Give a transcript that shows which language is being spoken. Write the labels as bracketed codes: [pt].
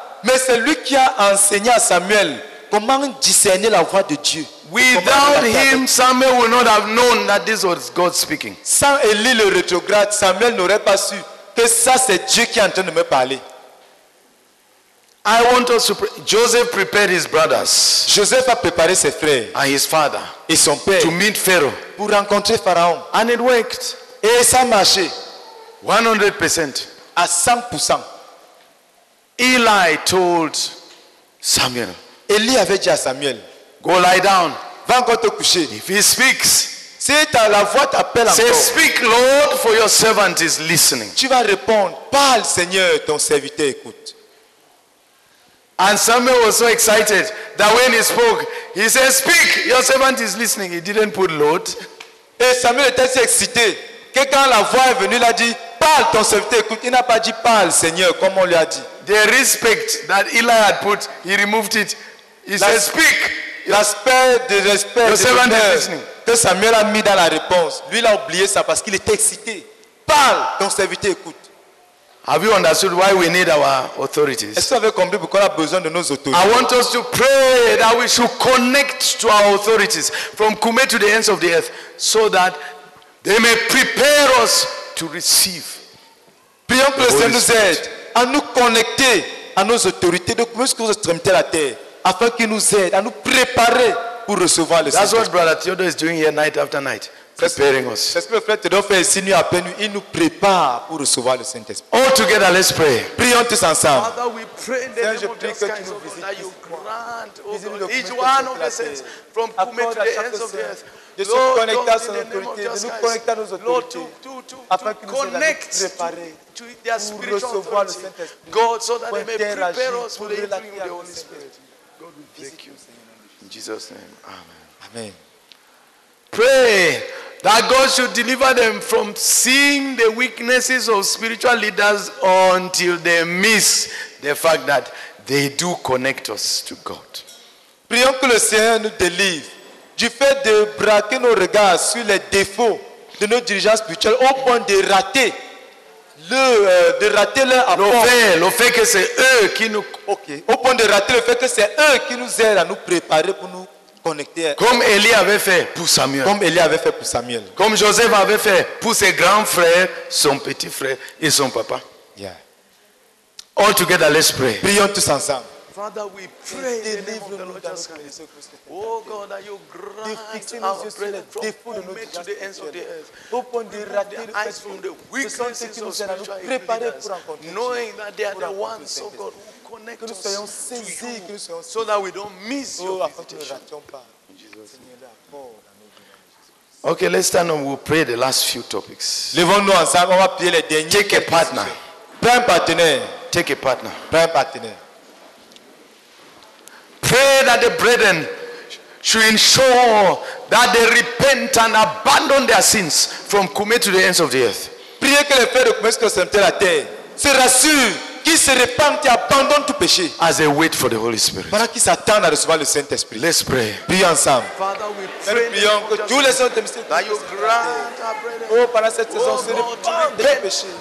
[fr] Mais c'est lui qui a enseigné à Samuel comment discerner la voix de Dieu. [en] Without him, Samuel would not have known that this was God speaking. [fr] Sans Élie le rétrograde, Samuel n'aurait pas su que ça c'est Dieu qui est en train de me parler. [en] I want us to pray. Joseph prepared his brothers. [fr] Joseph a préparé ses frères. [en] And his father. [fr] Et son père. [en] To meet Pharaoh. [fr] Pour rencontrer Pharaon. [en] And it worked. [fr] Et ça marchait. [en] 100% [fr] à 100%. [en] Eli told Samuel. [fr] Eli avait dit à Samuel, [en] go lie down. [fr] Va encore te coucher. [en] If he speaks, [fr] c'est à la voix t'appelle encore. [en] Say, speak, Lord, for your servant is listening. [fr] Tu vas répondre, parle, Seigneur, ton serviteur écoute. [en] And Samuel was so excited that when he spoke, he said, speak, your servant is listening. He didn't put Lord. [fr] Et Samuel était si excité. Et quand la voix est venue, il a dit, parle ton serviteur, écoute. Il n'a pas dit, parle Seigneur, comme on lui a dit. [en] The respect that Eli had put, he removed it. He said, speak. [fr] L'aspect de respect que Samuel a mis dans la réponse, lui, il a oublié ça parce qu'il était excité. Parle ton serviteur, écoute. [en] Have you understood why we need our authorities? [fr] Est-ce que vous avez compris pourquoi on a besoin de nos autorités? [en] I want us to pray that we should connect to our authorities from Kume to the ends of the earth so that they may prepare us to receive. [fr] Prions que le Seigneur nous aide à nous connecter à nos autorités de commerce aux extrémités de la terre afin qu'il nous aide à nous préparer pour recevoir le Seigneur. [en] That's what Brother Theodore is doing here night after night. Preparing us. [fr] C'est ce que le frère Theodore fait ici nuit après nuit. Il nous prépare pour recevoir le Saint-Esprit. [en] All together, let's pray. [fr] Prions tous ensemble. [en] Father, we pray in the name of Jesus Christ, O God, that you grant, O God, each one of the saints from Kume to the ends of the earth. [fr] De se connecter à son autorité, de nous connecter à nos autorités, afin qu'ils nous aient préparés pour recevoir le Saint-Esprit, pour interagir, pour relater à le Saint-Esprit. [en] God, we thank you. In Jesus' name, amen. Amen. Pray that God should deliver them from seeing the weaknesses of spiritual leaders until they miss the fact that they do connect us to God. [fr] Prions que le Seigneur nous délivre du fait de braquer nos regards sur les défauts de nos dirigeants spirituels au point de rater le fait que c'est eux qui nous au point de rater le fait que c'est eux qui nous aident à nous préparer pour nous comme Élie avait fait pour Samuel. Comme Élie avait fait pour Samuel. Comme Joseph avait fait pour ses grands frères, son petit frère et son papa. [en] Yeah. All together, let's pray. [fr] Prions tous ensemble. [en] Father, we pray in the name of the Lord Jesus Christ. Oh God, that you grant our prayer from Kume to the ends of the earth. Open the eyes from the weaknesses of spiritual leaders, knowing that they are the ones, oh God, who connect us to you, so that we don't miss your visitation. Okay, let's stand and we'll pray the last few topics. [fr] Levons-nous ensemble, on va prier les derniers. [en] Take a partner. [fr] Prends un partenaire. [en] Take a partner. [fr] Prends un partenaire. [en] Pray that the brethren should ensure that they repent and abandon their sins from Kume to the ends of the earth. [fr] Priez que les frères de Kume soient sanctifiés la terre. Se rassurent qu'ils se repentent et abandonnent tout péché. [en] As they wait for the Holy Spirit. [fr] Pendant qu'ils s'attendent à recevoir le Saint-Esprit. [en] Let's pray. [fr] Prions ensemble. [en] Father, we pray. [fr] Prions que tous les saints de mystère. [en] That you grant our brethren. [fr] Oh, pendant cette saison, se repentent de tout péché.